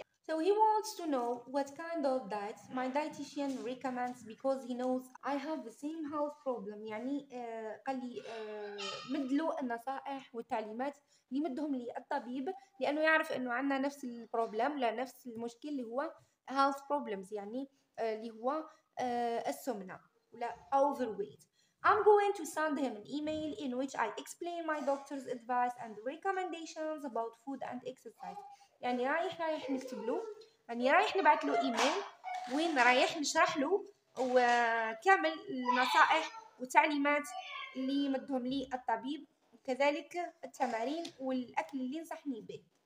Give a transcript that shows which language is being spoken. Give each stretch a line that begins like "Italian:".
English: So he wants to know what kind of diet my dietitian recommends because he knows I have the same health problem.
Arabic: يعني قال لي مدلو النصائح والتعليمات اللي مدهم لي الطبيب لأنه يعرف أنه عندنا نفس البروبلم لا نفس المشكل اللي هو
English: health problems
Arabic: يعني اللي هو السمنة ولا overweight.
English: I'm going to send him an email in which I explain my doctor's advice and recommendations about food and exercise.
Arabic: يعني رايح نكتب له يعني رايح نبعث له ايميل وين رايح نشرح له وكامل النصائح والتعليمات اللي مدهم لي الطبيب وكذلك التمارين والاكل اللي نصحني به.